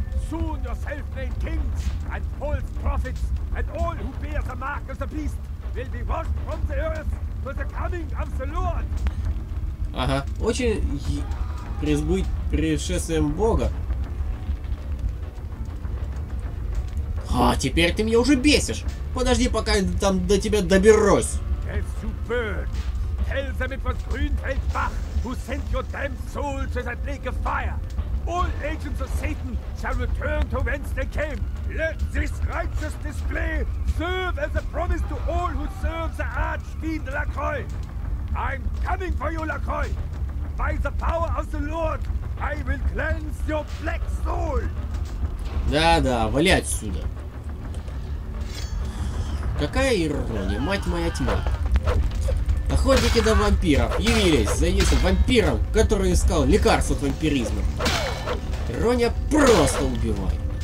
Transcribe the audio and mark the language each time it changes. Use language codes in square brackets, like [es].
[en] Soon your self-made kings and false prophets and all who bear the mark of the beast will be washed from the earth for the coming of the Lord. [ru] Ага, очень пресбыть пришествием Бога. А теперь ты меня уже бесишь. Подожди, пока я там до тебя доберусь. [en] Yes, you bird. Tell them it was Grünfeldbach who sent your damned soul to that lake of fire. All agents of Satan shall return to whence they came. Let this righteous display serve as a promise to all who serve the Archfiend Lacroix. I'm coming for you, Lacroix. By the power of the Lord, I will cleanse your black soul. [ru] Да-да, вали отсюда. Какая ирония, мать моя тьма. Охотники до вампиров явились за единственным вампиром, который искал лекарство от вампиризма. Ирония просто убивает.